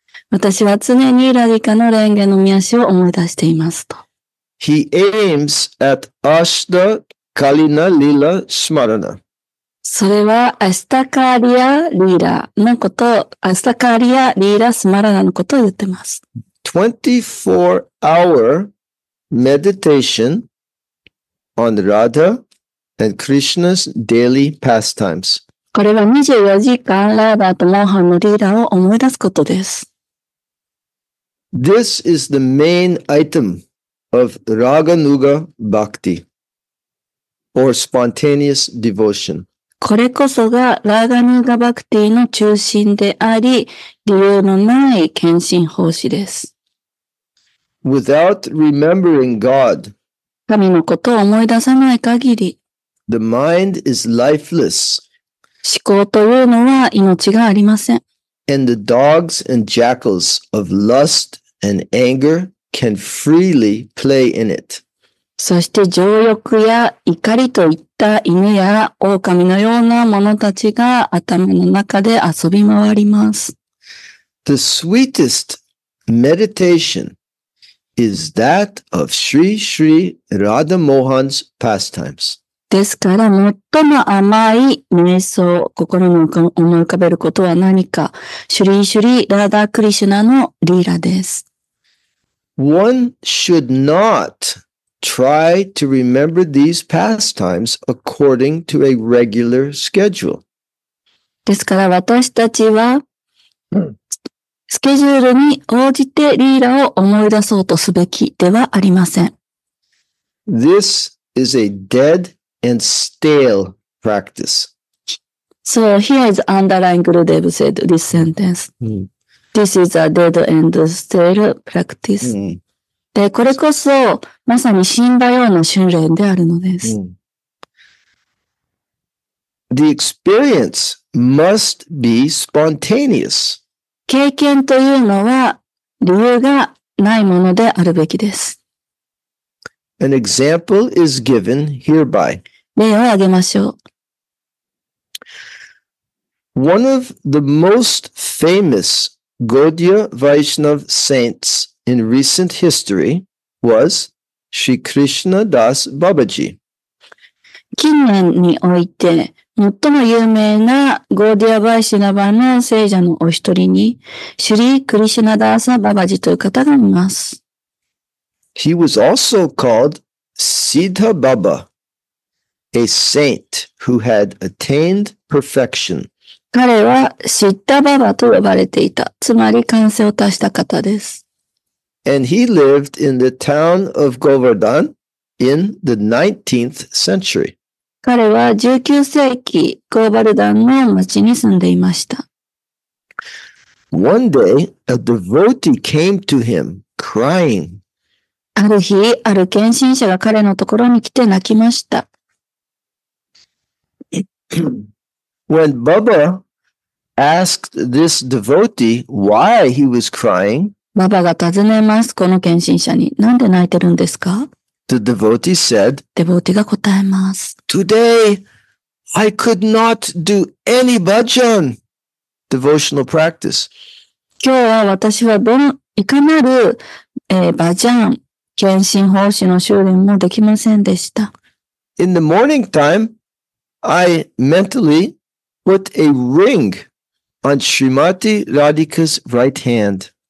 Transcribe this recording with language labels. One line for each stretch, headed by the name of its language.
Japanese: 私は常にラディカのレンゲの御足を思い出していますと。
English: He aims at Ashta Kalina Lila Smarana.
Japanese: それはアシタカリアリーラのこと、アシタカリアリーラスマラナのことを言ってます。
English: 24-hour meditation on Radha and Krishna's daily pastimes.
Japanese: これは24時間ラーダーとモーハンのリーダーを思い出すことです。
English: This is the main item of Raganuga Bhakti or spontaneous devotion.
Japanese: これこそがラーガヌーガ・バクティの中心であり、理由のない献身奉仕です。
English: Without remembering God,
Japanese: 神のことを思い出さない限り、
English: the mind is lifeless.
Japanese: 思考というのは命がありません。
English: And the dogs and jackals of lust and anger can freely play in it.
Japanese: そして情欲や怒りといった犬や狼のような者たちが頭の中で遊び回ります。
English: The sweetest meditation. Is that of Sri Sri Radha Mohan's pastimes.
Japanese: ですから最も甘い瞑想を心に思い浮かべることは何か、シュリシュリラダクリシュナのリーラです。
English: One should not try to remember these pastimes according to a regular schedule.
Japanese: ですから私たちは、スケジュールに応じてリーラを思い出そうとすべきではありません。
English: This is a dead and stale practice. So here is underlined Gurudev said this sentence.、Mm. This is a dead and stale practice.、Mm.
Japanese: で、これこそまさに死んだような修練であるのです。
English: Mm. The experience must be spontaneous.
Japanese: 経験というのは理由がないものであるべきです。
English: An example is given hereby.
Japanese: 例を挙げましょう。
English: One of the most famous Gaudiya Vaishnav saints in recent history was Shri Krishna Das Babaji.
Japanese: 近年において、最も有名なゴーディア・バイシナバの聖者のお一人に、シュリー・クリシュナ・ダーサ・ババジという方がいます。
English: He was also called Siddha Baba, a saint who had attained perfection.
Japanese: 彼はシッダ・ババと呼ばれていた。つまり完成を達した方です。
English: And he lived in the town of Govardhan in the 19th century.
Japanese: 彼は19世紀、ゴーバルダンの町に住んでいました。
English: One day, a devotee came to him, crying.
Japanese: ある日、ある献身者が彼のところに来て泣きました。
English: When Baba asked this devotee why he was crying,
Japanese: ババが尋ねます、この献身者に。なんで泣いてるんですか?
English: The devotee said,
Japanese: Devotee が答えます。
English: Today, I could not do any bhajan, devotional practice.
Japanese: 今日は私はいかなる、bhajan, 献身奉仕の修練もできませんでした。
English: In the morning time, I mentally put a ring on Srimati Radhika's right hand.